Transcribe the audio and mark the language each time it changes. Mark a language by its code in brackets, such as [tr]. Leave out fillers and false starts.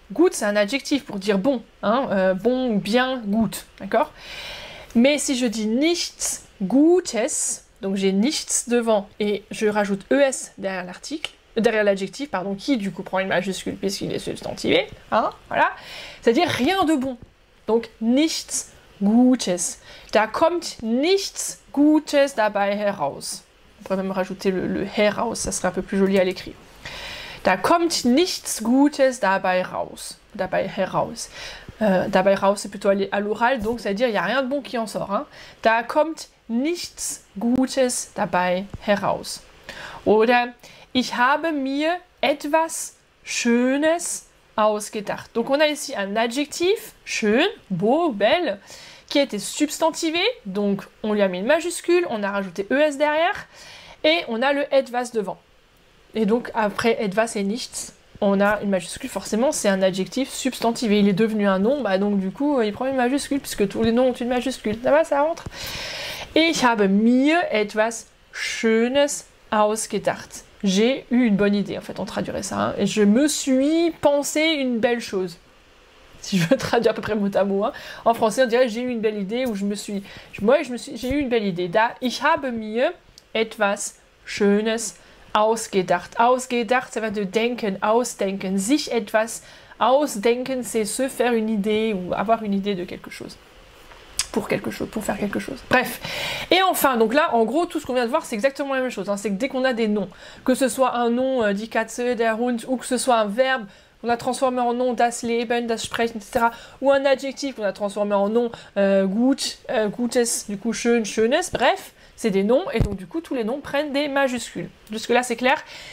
[fr] Gut, c'est un adjectif pour dire bon, hein, bon, bien, gut, d'accord ? Mais si je dis [de] nichts gutes, [fr] donc j'ai nichts devant et je rajoute es derrière l'article, derrière l'adjectif, pardon, qui du coup prend une majuscule puisqu'il est substantivé, hein, voilà, c'est-à-dire rien de bon. Donc, [de] nichts Gutes. Da kommt nichts Gutes dabei heraus. [fr] On pourrait même rajouter le heraus, ça serait un peu plus joli à l'écrit. [de] Da kommt nichts Gutes dabei raus. Dabei heraus. [fr] Dabei raus, c'est plutôt à l'oral, donc c'est-à-dire il n'y a rien de bon qui en sort. Hein. [de] Da kommt nichts Gutes dabei heraus. Oder ich habe mir etwas Schönes ausgedacht. [fr] Donc on a ici un adjectif, schön, beau, belle, qui a été substantivé, donc on lui a mis une majuscule, on a rajouté es derrière, et on a le etwas devant. Et donc après etwas et nichts, on a une majuscule, forcément c'est un adjectif substantivé, il est devenu un nom, bah donc du coup il prend une majuscule, puisque tous les noms ont une majuscule, ça va, ça rentre. [de] Ich habe mir etwas Schönes ausgedacht. [fr] J'ai eu une bonne idée, en fait, on traduirait ça. Hein. Et je me suis pensé une belle chose. Si je veux traduire à peu près mot à mot. Hein. En français, on dirait j'ai eu une belle idée ou je me suis... j'ai eu une belle idée. [de] Da ich habe mir etwas Schönes ausgedacht. [fr] Ausgedacht, ça va de denken, ausdenken. [de] Sich etwas ausdenken, [fr] c'est se faire une idée ou avoir une idée de quelque chose. Pour quelque chose, pour faire quelque chose. Bref. Et enfin, donc là, en gros, tout ce qu'on vient de voir, c'est exactement la même chose. Hein. C'est que dès qu'on a des noms, que ce soit un nom, die Katze, der Hund, ou que ce soit un verbe qu'on a transformé en nom, das Leben, das Sprechen, etc., ou un adjectif qu'on a transformé en nom, gutes, du coup, schön, schönes, bref, c'est des noms, et donc du coup, tous les noms prennent des majuscules. Jusque-là, c'est clair.